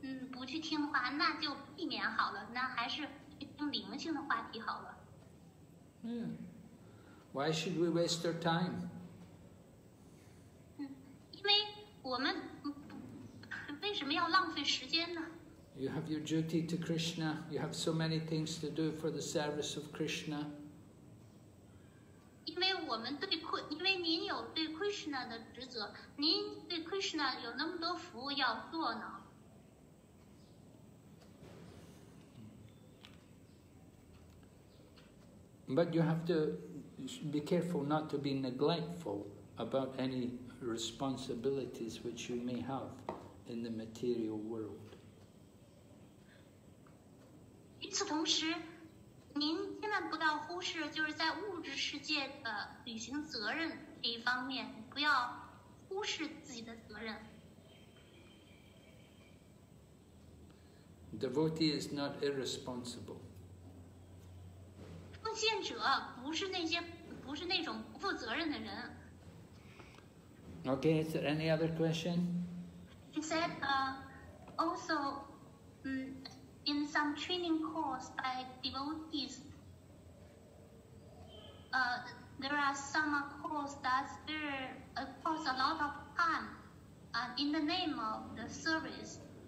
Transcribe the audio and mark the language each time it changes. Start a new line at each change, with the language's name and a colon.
Chinese: 不去听的话，那就避免好了。那还是听灵性的话题好了。
English: Yeah. Why should we waste our time?
Chinese: 因为我们为什么要浪费时间呢？
English: You have your duty to Krishna. You have so many things to do for the service of Krishna.
Chinese: 因为我们对因为您有对 Krishna 的职责，您对 Krishna 有那么多服务要做呢。
English: But you have to be careful not to be neglectful about any responsibilities which you may have in the material world.
Chinese: 与此同时，您千万不要忽视，就是在物质世界的履行责任这一方面，不要忽视自己的责任。
English: Devotee is not irresponsible.
Chinese: 奉献者不是那种不负责任的人。
English: Okay, is there any other question? He said, also, in some training course by devotees, there are some course that's cost a lot of time, in the name of the service.